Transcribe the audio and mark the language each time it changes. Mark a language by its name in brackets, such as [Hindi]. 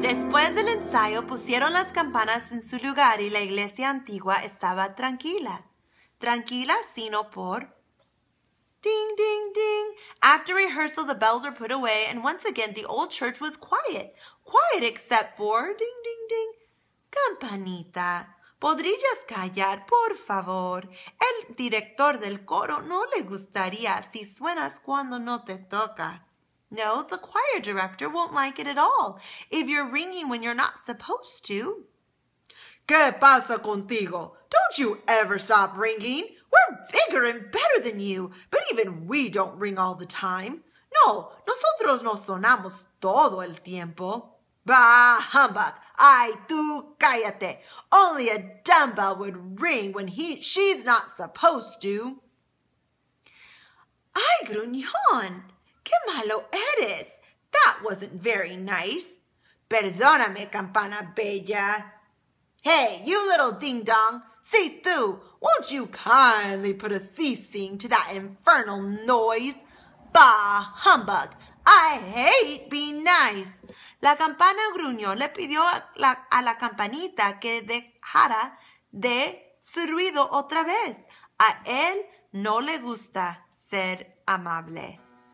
[Spanish] Después del ensayo pusieron las campanas en su lugar y la iglesia antigua estaba tranquila. Tranquila sino por ding, ding, ding. [English] After rehearsal, the bells were put away and once again the old church was quiet. Quiet except for ding, ding, ding. [Spanish] Campanita, ¿podrías callar, por favor? El director del coro no le gustaría si suenas cuando no te toca. [English] No, the choir director won't like it at all if you're ringing when you're not supposed to. [Spanish] ¿Qué pasa contigo? [English] Don't you ever stop ringing. We're bigger and better than you, but even we don't ring all the time. [Spanish] No, nosotros no sonamos todo el tiempo. [English] Bah, humbug. [Spanish] Ay, tú cállate. [English] Only a dumb bell would ring when she's not supposed to. [Spanish] Ay, gruñón. Qué malo eres. [English] That wasn't very nice. [Spanish] Perdóname, campana bella. [English] Hey, you little ding-dong. [Spanish] Si tú, [English] won't you kindly put a ceasing to that infernal noise? Bah, humbug. I hate being nice. [Spanish] La campana gruñó, le pidió a la campanita que dejara de su ruido otra vez. A él no le gusta ser amable.